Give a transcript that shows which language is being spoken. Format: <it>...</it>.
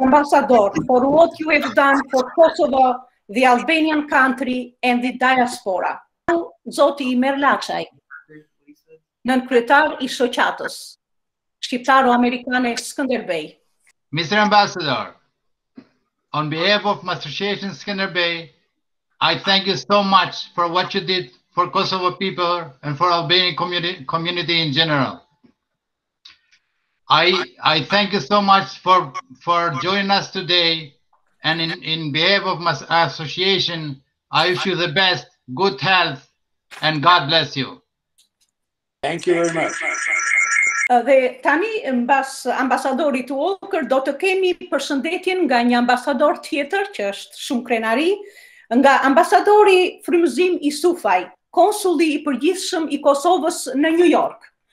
<en>Ambassador, for what you have done for Kosovo, the Albanian country, and the diaspora.</en> <sq>Zoti Merlaçaj, nënkryetar I shoqatës shqiptaro-amerikane Skënder Bej.</sq> <en>Mr. Ambassador, on behalf of my association Skënder Bej, I thank you so much for what you did for Kosovo people and for Albanian community in general. I thank you so much for joining us today, and in behalf of my association, I wish you the best, good health, and God bless you. Thank you very much.</en> <sq>Dhe tani ambasadorit Walker do të kemi përshëndetjen nga një ambasador tjetër që është shumë krenari, nga ambasadori Frymëzim Isufaj, konsulli I përgjithshëm I Kosovës në New York.</sq>